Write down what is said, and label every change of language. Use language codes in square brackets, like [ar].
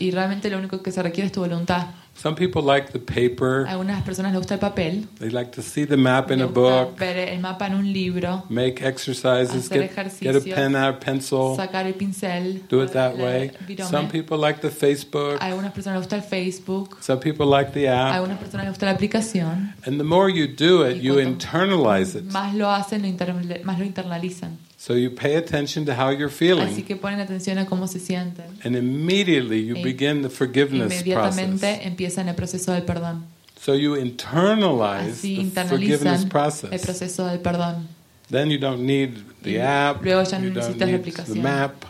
[es] Y realmente lo único que se requiere es tu voluntad. [en] Some people like the paper. [es] Algunas personas les gusta el papel. [en] They like to see the map in a book. [es] Ver el mapa en un libro. [en] Make exercises. Get a pen out, pencil. [es] Sacar el pincel. [en] Do it that way. Some people like the Facebook. [es] Algunas personas les gusta el Facebook. [en] Some people like the app. [es] Algunas personas les gusta la aplicación. [en] And the more you do it, you internalize it. [es] Más lo hacen, más lo internalizan. [en] So you pay attention to how you're feeling. [es] Así que ponen atención a cómo se sienten. [en] And immediately you begin the forgiveness [es] process. Inmediatamente empiezan el proceso del perdón. [en] So you internalize [es] Así [en] the forgiveness process. [es] El proceso del perdón. [en] Then you don't need the app. [es] Luego ya [en] you [es] no [en] don't [es] necesitas [en] need [es] la aplicación. [en] The map.